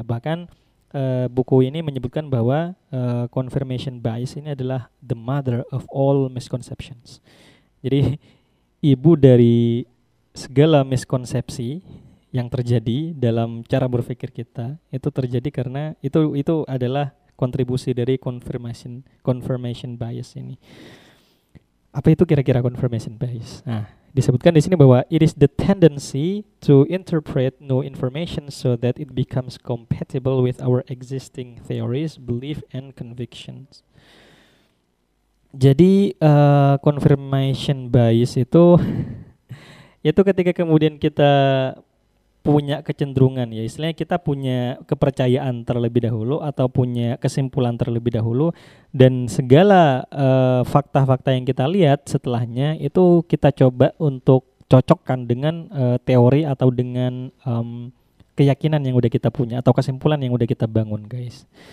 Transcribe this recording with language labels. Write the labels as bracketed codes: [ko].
[id] Bahkan buku ini menyebutkan bahwa confirmation bias ini adalah [en] the mother of all misconceptions. [id] Jadi ibu dari segala miskonsepsi yang terjadi dalam cara berpikir kita itu terjadi karena itu adalah kontribusi dari confirmation bias ini. Apa itu kira-kira confirmation bias? Nah, disebutkan di sini bahwa [en] it is the tendency to interpret new information so that it becomes compatible with our existing theories, belief, and convictions. [id] Jadi confirmation bias itu yaitu ketika kemudian kita punya kecenderungan ya, istilahnya kita punya kepercayaan terlebih dahulu atau punya kesimpulan terlebih dahulu, dan segala fakta-fakta yang kita lihat setelahnya itu kita coba untuk cocokkan dengan teori atau dengan keyakinan yang udah kita punya atau kesimpulan yang udah kita bangun, guys.